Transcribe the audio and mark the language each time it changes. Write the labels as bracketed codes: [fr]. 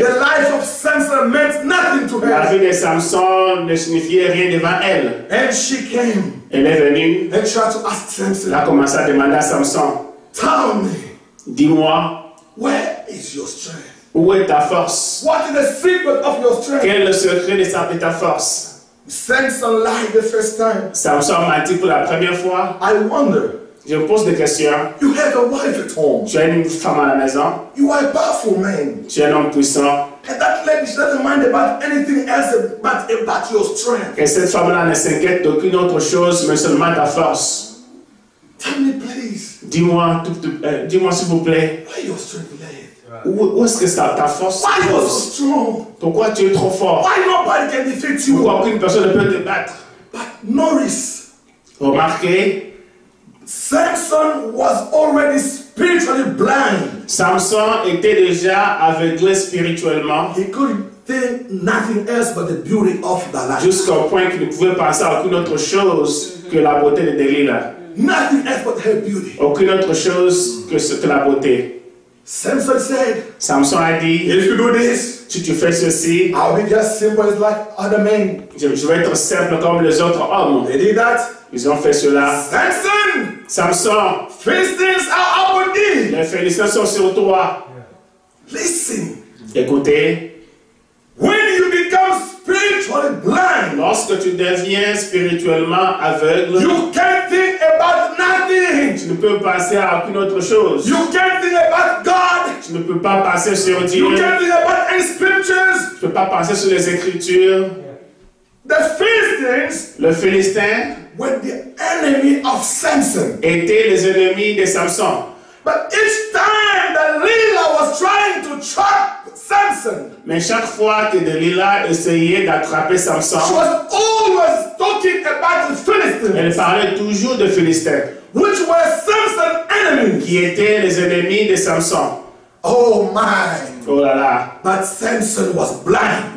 [en] The life of Samson meant nothing to her. [fr] La vie de Samson ne signifiait rien devant elle. [en] And she came. [fr] Elle est venue. [en] And she had to ask Samson. [fr] Elle a commencé à demander à Samson. [en] Tell me. [fr] Dis-moi. [en] Where is your strength? [fr] Où est ta force? [en] What is the secret of your strength? [fr] Quel est le secret de ta force? [en] Samson lied the first time. [fr] Samson m'a dit pour la première fois. [en] I wonder. [fr] Je me pose des questions. [en] You have a wife at home. [fr] Tu as une femme à la maison. [en] You are a powerful man. [fr] Tu es un homme puissant. [en] And that lady doesn't mind about anything else but about your strength. [fr] Et cette femme-là ne s'inquiète d'aucune autre chose mais seulement ta force. [en] Tell me please. [fr] Dis-moi s'il vous plaît. [en] Where your strength lay? [fr] Où est-ce que ça, ta force? [en] Why you so strong? [fr] Pourquoi tu es trop fort? [en] Why nobody can defeat you? [fr] Pourquoi aucune personne ne peut te battre? [en] But notice. [fr] Remarquez. [en] Samson was already spiritually blind. [fr] Samson était déjà aveuglé spirituellement. [en] He could think nothing else but the beauty of the light. [fr] Jusqu'au point qu'il ne pouvait penser à aucune autre chose que la beauté de Delilah. [en] Nothing else but her beauty. [fr] Aucune autre chose que ce que la beauté. [en] Samson said. [fr] Samson a dit. [en] If you do this, [fr] si tu fais ceci, [en] I'll be just simple as like other men. [fr] Je vais être simple comme les autres hommes. [en] They did that. [fr] Ils ont fait cela. [en] Samson. [fr] Samson. [en] Philistines are upon thee. [fr] Les Philistins sont sur toi. Yeah. [en] Listen. [fr] Écoutez. [en] When you become spiritually blind, [fr] lorsque tu deviens spirituellement aveugle, [en] you can't think about nothing. [fr] Tu ne peux penser à aucune autre chose. [en] You can't think about God. [fr] Tu ne peux pas penser sur Dieu. [en] You can't think about any scriptures. [fr] Tu ne peux pas penser sur les Écritures. [en] The Philistines, [fr] le Philistin, [en] were the enemy of Samson. [fr] Étaient les ennemis de Samson. [en] But each time Delilah was trying to trap Samson. [fr] Mais chaque fois que Delilah essayait d'attraper Samson, [en] she was always talking about the Philistines. [fr] Elle parlait toujours de Philistins, [en] which were Samson's enemies. [fr] Qui étaient les ennemis de Samson. [en] Oh my! [fr] Oh là là! [en] But Samson was blind.